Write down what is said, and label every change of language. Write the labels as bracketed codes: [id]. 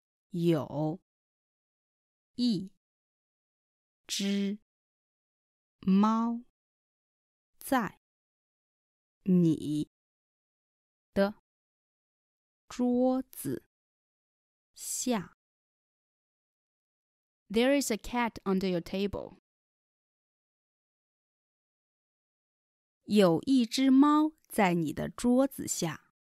[zh] 有一只猫在你的桌子下 [en] There is a cat under your table. [zh] 有一只猫在你的桌子下。